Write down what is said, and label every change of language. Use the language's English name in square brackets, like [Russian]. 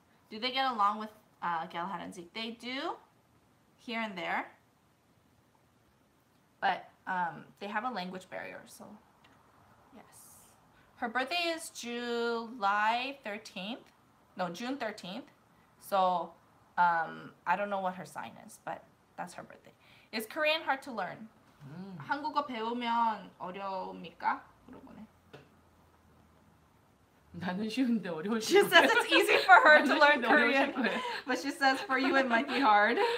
[English] Do they get along with Galahad and Zeke? They do, here and there. But they have a language barrier, so yes. Her birthday is July 13th. No, June 13th. So I don't know what her sign is, but that's her birthday. Is Korean hard to learn? [Korean] 한국어 배우면 어려웁니까? 물어보네. 나는 쉬운데 어려울 [English] She says it's easy for her to learn Korean. But she says for you it might be hard.